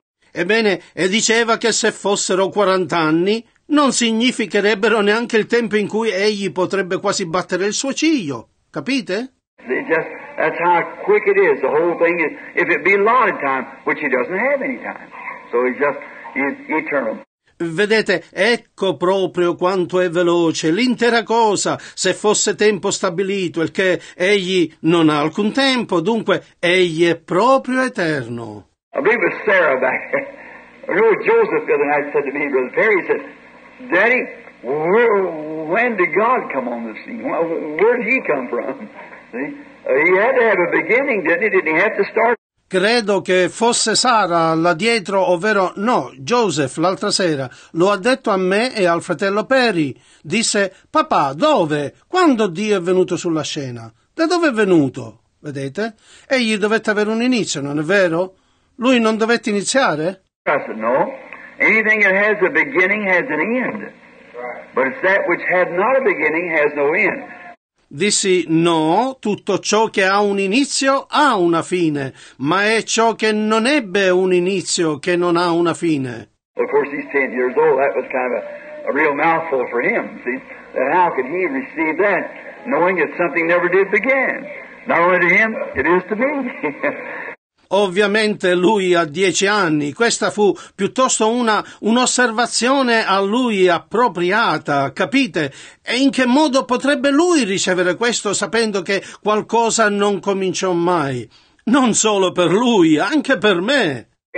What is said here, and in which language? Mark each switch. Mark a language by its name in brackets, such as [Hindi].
[Italian] Ebbene, e diceva che se fossero 40 anni non significherebbero neanche il tempo in cui egli potrebbe quasi battere il suo ciglio, capite? [English] That's how quick it is, the whole thing is, if it be allotted time, which he doesn't have any time, so he's just eternal. [Italian] Vedete, ecco proprio quanto è veloce l'intera cosa, se fosse tempo stabilito, il che egli non ha alcun tempo, dunque egli è proprio eterno. [English] I believe it was Sarah back there. I remember Joseph the other night said to me, Brother Perry, he said, Daddy, when did God come on the scene? Where did he come from? See? He had to have a beginning, didn't he? Didn't he have to start? [Italian] Credo che fosse Sara là dietro, ovvero no, Joseph, l'altra sera. Lo ha detto a me e al fratello Perry. Disse, papà, dove? Quando Dio è venuto sulla scena? Da dove è venuto? Vedete? Egli dovette avere un inizio, non è vero? Lui non dovette iniziare? [English] I said, no. Anything that has a beginning has an end. But it's that which had not a beginning has no end. [Italian] Dissi, no, tutto ciò che ha un inizio ha una fine, ma è ciò che non ebbe un inizio che non ha una fine. [English] Of course he's 10 years old, that was kind of a real mouthful for him, see? How could he receive that, knowing that something never did begin? Not only to him, it is to me. [Italian] Ovviamente lui ha 10 anni, questa fu piuttosto un'osservazione a lui appropriata, capite? E in che modo potrebbe lui ricevere questo sapendo che qualcosa non cominciò mai? Non solo per lui, anche per me.